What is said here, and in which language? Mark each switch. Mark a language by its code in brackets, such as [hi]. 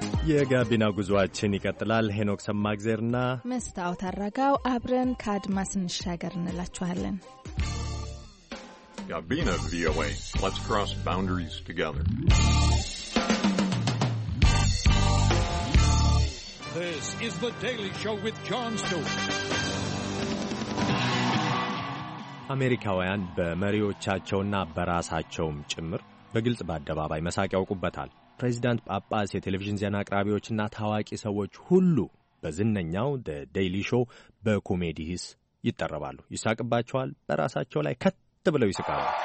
[am] የጋቢና ጉዞአችን ይቀጥላል። ሄኖክ ሰማእግዜርና መስታወት አራጋው አብረን ከአድማስ እንሻገር እንላችኋለን። [en] Gabina VOA. Let's cross boundaries together. This is The Daily Show with Jon Stewart. [am] አሜሪካውያን በመሪዎቻቸውና በራሳቸውም ጭምር በግልጽ በአደባባይ መሳቅ ያውቁበታል። ፕሬዚዳንት ጳጳስ የቴሌቪዥን ዜና አቅራቢዎችና ታዋቂ ሰዎች ሁሉ በዝነኛው ደ ዴይሊ ሾው በኮሜዲስ ይጠራባሉ። ይሳቅባቸዋል፣ በራሳቸው ላይ ከት ብለው ይስቃሉ።